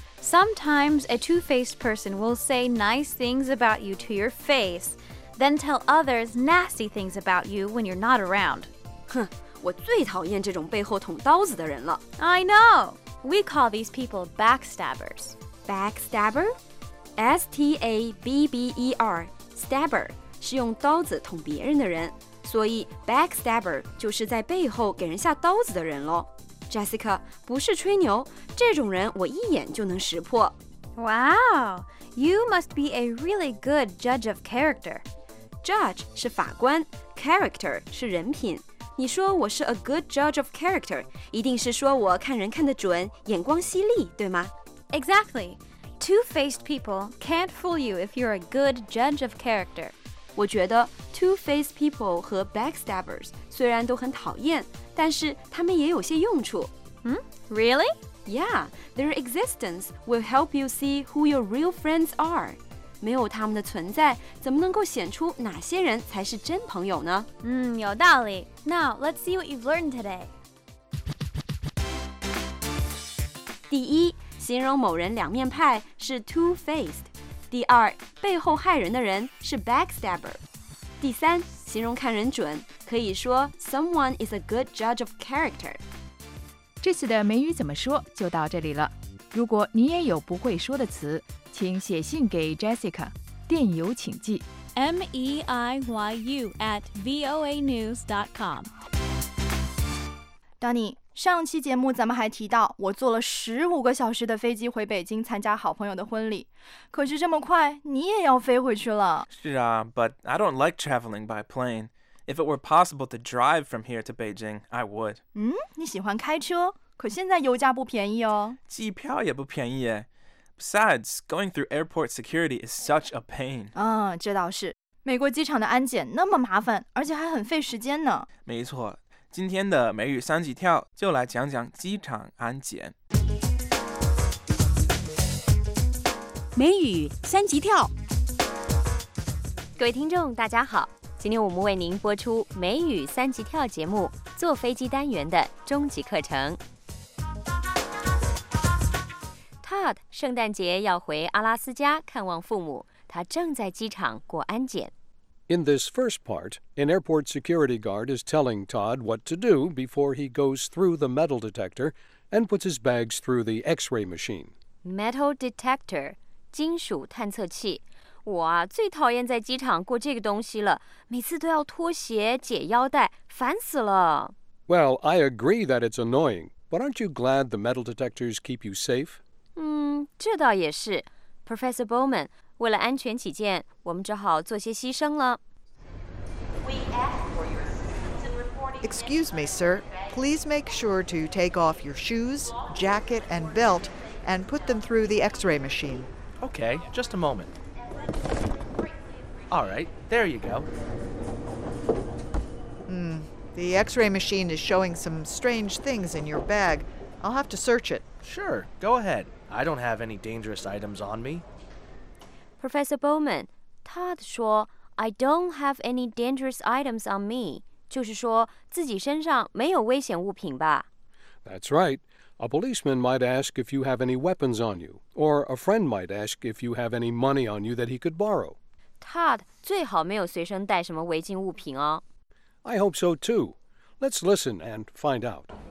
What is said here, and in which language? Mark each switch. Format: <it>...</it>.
<en>Sometimes a two-faced person will say nice things about you to your face, then tell others nasty things about you when you're not around.</en> <zh>哼，我最讨厌这种背后捅刀子的人了。</zh> <en>I know. We call these people backstabbers. Backstabber? S-T-A-B-B-E-R.</en> <zh>Stabber 是用刀子捅别人的人，所以 backstabber 就是在背后给人下刀子的人咯。 Jessica, 不是吹牛，这种人我一眼就能识破。</zh> <en>Wow, you must be a really good judge of character.</en> <zh>Judge 是法官， character 是人品。你说我是</zh> <en>a good judge of character,</en> <zh>一定是说我看人看得准，眼光犀利，对吗？</zh> <en>Exactly. Two-faced people can't fool you if you're a good judge of character.</en> <zh>我觉得 two-faced people 和 backstabbers 虽然都很讨厌，但是他们也有些用处。</zh> <en>Hmm? Really? Yeah, their existence will help you see who your real friends are.</en> <zh>没有他们的存在，怎么能够显出哪些人才是真朋友呢？有道理。</zh> <en>Now, let's see what you've learned today.</en> <zh>第一，形容某人两面派是 two-faced。第二，背后害人的人是 backstabber。第三，形容看人准，可以说</zh> <en>someone is a good judge of character。</en> <zh>这次的美语怎么说就到这里了。如果你也有不会说的词，请写信给 Jessica， 电邮请寄</zh> <en>meiyu@voanews.com。</en> <zh>Donny，上期节目咱们还提到，我坐了15个小时的飞机回北京参加好朋友的婚礼。可是这么快，你也要飞回去了。是啊，</zh> <en>but I don't like traveling by plane. If it were possible to drive from here to Beijing, I would.</en> <zh>你喜欢开车？可现在油价不便宜哦。机票也不便宜耶。</zh> <en>Besides, going through airport security is such a pain.</en> <zh>这倒是。美国机场的安检那么麻烦，而且还很费时间呢。没错。今天的美语三级跳就来讲讲机场安检。美语三级跳，各位听众大家好，今天我们为您播出美语三级跳节目坐飞机单元的终极课程。 Todd 圣诞节要回阿拉斯加看望父母，他正在机场过安检。</zh> <en>In this first part, an airport security guard is telling Todd what to do before he goes through the metal detector and puts his bags through the X-ray machine.</en> <zh>Metal detector, 金属探测器。我啊，最讨厌在机场过这个东西了，每次都要脱鞋解腰带，烦死了。</zh> <en>Well, I agree that it's annoying, but aren't you glad the metal detectors keep you safe?</en> <zh>这倒也是。Professor Bowman,为了安全起见，我们只好做些牺牲了。</zh> <en>Excuse me, sir. Please make sure to take off your shoes, jacket, and belt, and put them through the X-ray machine. Okay, just a moment. All right, there you go. The X-ray machine is showing some strange things in your bag. I'll have to search it. Sure, go ahead. I don't have any dangerous items on me. Professor Bowman, Todd 说 I don't have any dangerous items on me.</en> <zh>就是说自己身上没有危险物品吧。</zh> <en>That's right. A policeman might ask if you have any weapons on you, or a friend might ask if you have any money on you that he could borrow.</en> <zh>Todd 最好没有随身带什么违禁物品哦。</zh> <en>I hope so too. Let's listen and find out.</en>